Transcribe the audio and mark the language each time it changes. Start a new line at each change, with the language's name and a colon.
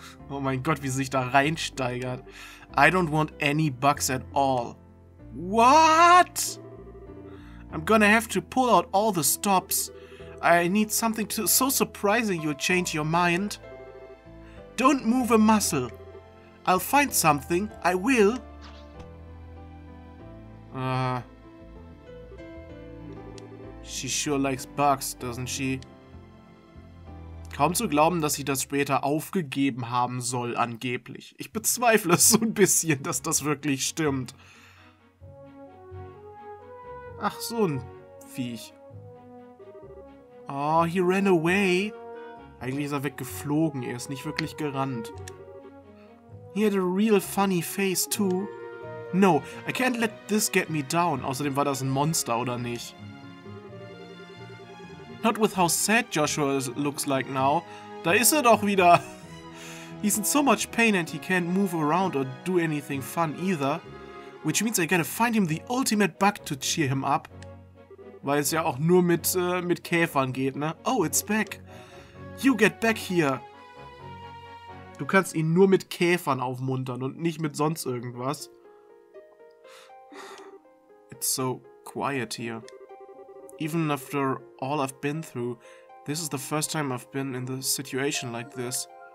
German: Oh mein Gott, wie sie sich da reinsteigert.
English: I don't want any bugs at all. What? I'm gonna have to pull out all the stops. I need something to, so surprising you'll change your mind. Don't move a muscle. I'll find something. I will. She sure likes bugs, doesn't she?
German: Kaum zu glauben, dass sie das später aufgegeben haben soll, angeblich. Ich bezweifle es so ein bisschen, dass das wirklich stimmt. Ach, so ein Viech.
English: Oh, he ran away.
German: Eigentlich ist er weggeflogen, er ist nicht wirklich gerannt.
English: He had a real funny face too. No, I can't let this get me down.
German: Außerdem war das ein Monster, oder nicht?
English: Not with how sad Joshua looks like now.
German: Da ist er doch wieder.
English: He's in so much pain and he can't move around or do anything fun either. Which means I gotta find him the ultimate bug to cheer him up.
German: Weil es ja auch nur mit Käfern geht, ne?
English: Oh, it's back. You get back here.
German: Du kannst ihn nur mit Käfern aufmuntern und nicht mit sonst irgendwas.
English: It's so quiet here. Even after all I've been through, this is the first time I've been in a situation like this.